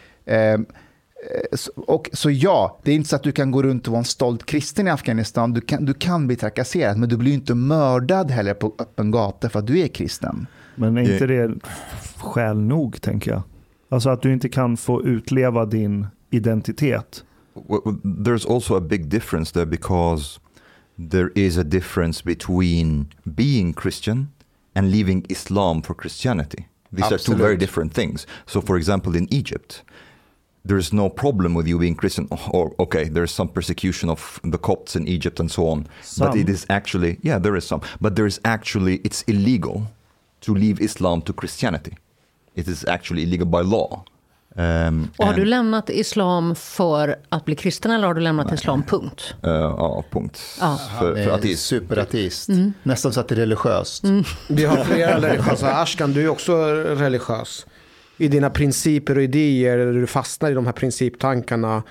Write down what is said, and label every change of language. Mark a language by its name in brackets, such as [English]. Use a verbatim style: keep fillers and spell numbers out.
[Swedish] Eh, Och, så ja, det är inte så att du kan gå runt och vara en stolt kristen i Afghanistan. Du kan, du kan bli trakasserad, men du blir inte mördad heller på öppen gata för att du är kristen. Men är inte det skäl nog, tänker jag? Alltså att du inte kan få utleva din identitet. [English] There's also a big difference there because there is a difference between being Christian and leaving Islam for Christianity. These Absolutely. Are two very different things. So for example in Egypt, there's no problem with you being Christian, or okay, there's some persecution of the Copts in Egypt and so on. Some. But it is actually, yeah, there is some. But there is actually, it's illegal to leave Islam to Christianity. It is actually illegal by law. [Swedish] Um, och har du lämnat islam för att bli kristen eller har du lämnat nej. Islam, punkt? Uh, ja, punkt. Ja. För, för ateist. Superateist. Mm. Nästan så att det är religiöst. Mm. Vi har flera religiösa. Ashkan, du är också religiös. I dina principer och idéer eller du fastnar i de här principtankarna.